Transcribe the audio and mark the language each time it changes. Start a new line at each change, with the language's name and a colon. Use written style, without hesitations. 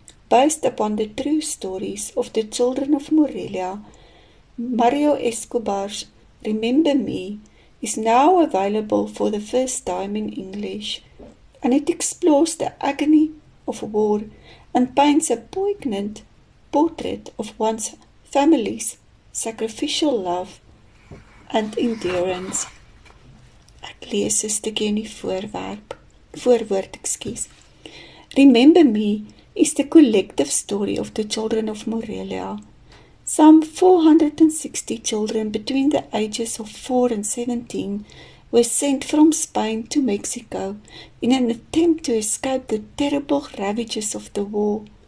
English: Based upon the true stories of the children of Morelia, Mario Escobar's Remember Me is now available for the first time in English, and it explores the agony of war and paints a poignant portrait of one's family's sacrificial love and endurance.
Afrikaans: Ek lees 'n stukkie in die voorwoord.
English: Remember Me is the collective story of the children of Morelia. Some 460 children between the ages of 4 and 17 were sent from Spain to Mexico in an attempt to escape the terrible ravages of the war.